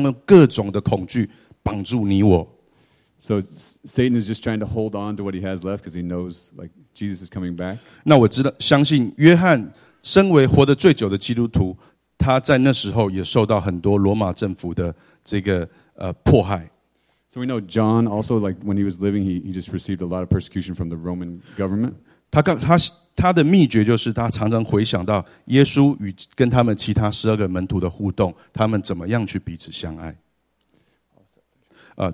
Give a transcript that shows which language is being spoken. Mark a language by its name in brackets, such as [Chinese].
[Chinese] 可是你知道，在耶稣即将要来的日子，撒旦在做最后的挣扎，他要用各种的恐惧绑住你我。 [English] So Satan is just trying to hold on to what he has left because he knows like Jesus is coming back. [Chinese] 那我知道，相信约翰身为活得最久的基督徒，他在那时候也受到很多罗马政府的这个迫害。 [English] So we know John also like when he was living, he just received a lot of persecution from the Roman government. [Chinese] 他的秘诀就是他常常回想到耶稣与跟他们其他十二个门徒的互动，他们怎么样去彼此相爱。